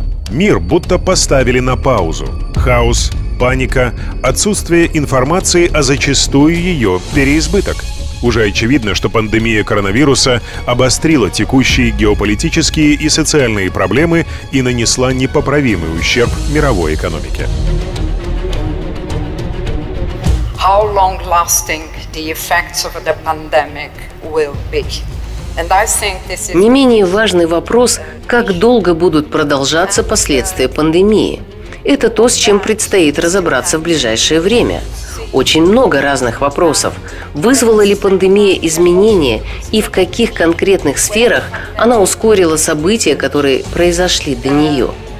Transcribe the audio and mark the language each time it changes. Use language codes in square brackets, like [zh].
[ru] Мир будто поставили на паузу. Хаос, паника, отсутствие информации, а зачастую ее переизбыток. Уже очевидно, что пандемия коронавируса обострила текущие геополитические и социальные проблемы и нанесла непоправимый ущерб мировой экономике. [en] How long-lasting the effects of the pandemic will be? And I think this is... [ru] Не менее важный вопрос, как долго будут продолжаться последствия пандемии. Это то, с чем предстоит разобраться в ближайшее время. Очень много разных вопросов. Вызвала ли пандемия изменения и в каких конкретных сферах она ускорила события, которые произошли до нее?